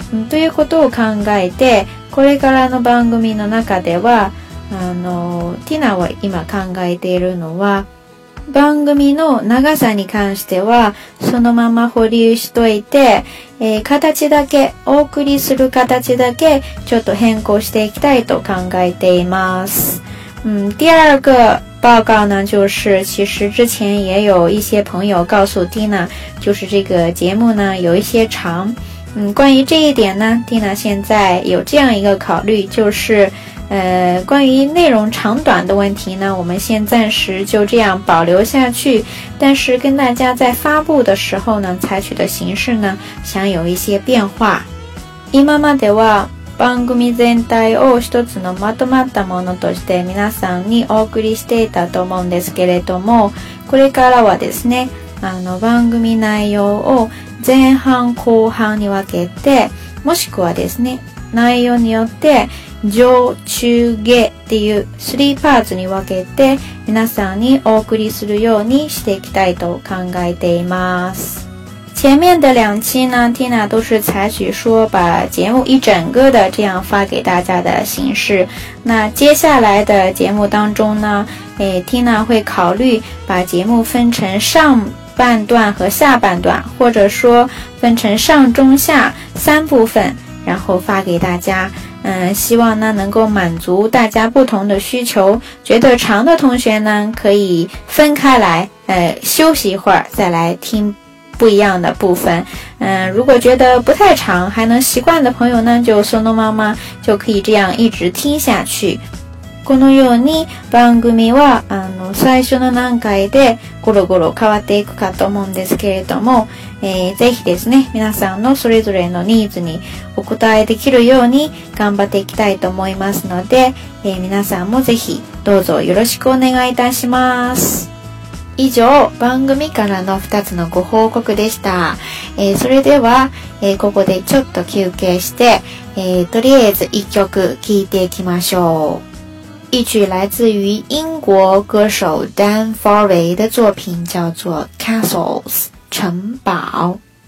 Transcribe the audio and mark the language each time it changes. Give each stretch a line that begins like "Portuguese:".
Japanese: ということを考えて、これからの番組の中ではティナは今考えているのは、番組の長さに関してはそのまま保留しといて、形だけお送りする形だけちょっと変更していきたいと考えています。
Chinese: 第二个报告呢，就是其实之前也有一些朋友告诉 Tina， 就是这个节目呢有一些长。关于这一点呢 ，Tina 现在有这样一个考虑，就是关于内容长短的问题呢，我们先暂时就这样保留下去。但是跟大家在发布的时候呢，采取的形式呢，想有一些变化。
Japanese: 今までは番組全体を一つのまとまったものとして皆さんにお送りしていたと思うんですけれども、これからはですね、番組内容を前半後半に分けて、もしくはですね、内容によって上中下っていう3パーツに分けて皆さんにお送りするようにしていきたいと考えています。
Chinese: 前面的两期呢 ，Tina 都是采取说把节目一整个的这样发给大家的形式。那接下来的节目当中呢，Tina 会考虑把节目分成上半段和下半段，或者说分成上中下三部分，然后发给大家。希望呢能够满足大家不同的需求。觉得长的同学呢，可以分开来，休息一会儿再来听。不一样的部分，如果觉得不太长还能习惯的朋友呢，就
Japanese: そのまま
Chinese: 就可以这样一直听下去。
Japanese: このように番組は最初の段階でゴロゴロ変わっていくかと思うんですけれども、ぜひですね皆さんのそれぞれのニーズにお答えできるように頑張っていきたいと思いますので、皆さんもぜひどうぞよろしくお願いいたします。以上、番組からの2つのご報告でした。それでは、ここでちょっと休憩して、とりあえず1曲聴いていきましょう。
Chinese: 一曲来自于英国歌手 Dan Foray 的作品，叫做 Castles 城堡。